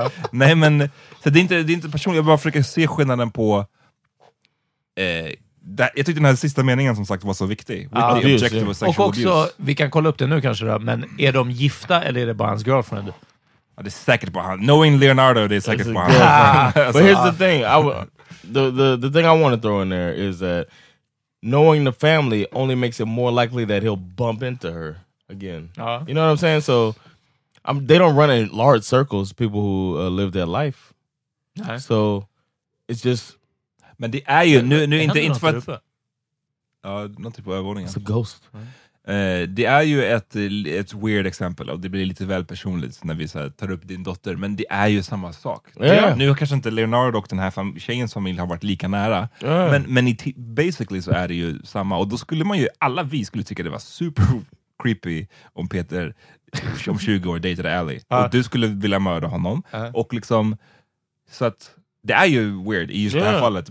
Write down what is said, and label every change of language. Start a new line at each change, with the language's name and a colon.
Swedish: Nej, men så det är inte personligt. Jag bara försöker se skillnaden på. Jag tyckte den här sista meningen som sagt var så viktig. Och också,
English: abuse.
Swedish: Vi kan kolla upp det nu kanske då, men är de gifta eller är det bara hans girlfriend? Ja, det är säkert bara han.
English: Knowing Leonardo,
Swedish: det är säkert bara han.
English: But here's the thing. The thing I want to throw in there is that knowing the family only makes it more likely that he'll bump into her again. You know what I'm saying? So they don't run in large circles, people who live their life.
Swedish: Nej.
English: So it's just...
Swedish: Men det är ju, nu är inte för att... Ja, någon typ av övervåningen.
English: It's a ghost.
Swedish: Det är ju ett weird exempel, och det blir lite väl personligt när vi så här, tar upp din dotter, men det är ju samma sak.
English: Yeah.
Swedish: Nu kanske inte Leonardo och den här tjejens familj har varit lika nära, men basically så är det ju samma, och då skulle man ju, alla vi skulle tycka det var super creepy om Peter om 20 år dejtade Ally, och du skulle vilja mörda honom, och liksom, så att det är ju weird i just det här fallet.